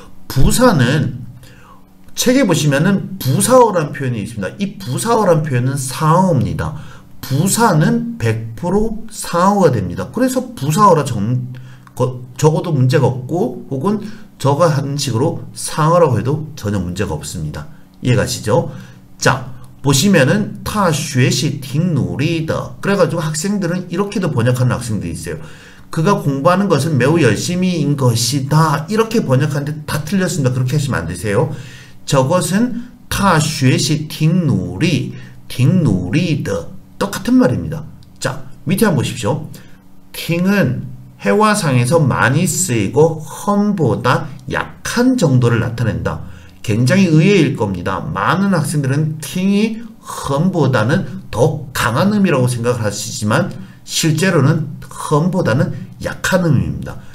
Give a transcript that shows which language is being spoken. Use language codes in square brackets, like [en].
[ko] 부사는 책에 보시면은 부사어란 표현이 있습니다. 이 부사어란 표현은 사어입니다. 부사는 100% 사어가 됩니다. 그래서 부사어라 적어도 문제가 없고 혹은 저가 하는 식으로 사어라고 해도 전혀 문제가 없습니다. 이해가시죠? 자, 보시면은 [zh] 他学习挺努力的. [ko] 그래가지고 학생들은 이렇게도 번역하는 학생들이 있어요. 그가 공부하는 것은 매우 열심히인 것이다. 이렇게 번역하는데 다 틀렸습니다. 그렇게 하시면 안 되세요. 저것은 [zh] 他学习挺努力的. [ko] 똑같은 말입니다. 자, 밑에 한번 보십시오. 挺은 회화상에서 많이 쓰이고 험보다 약한 정도를 나타낸다. 굉장히 의외일 겁니다. 많은 학생들은 挺이 험보다는 더 강한 의미라고 생각하시지만 실제로는 험보다는 약한 의미입니다.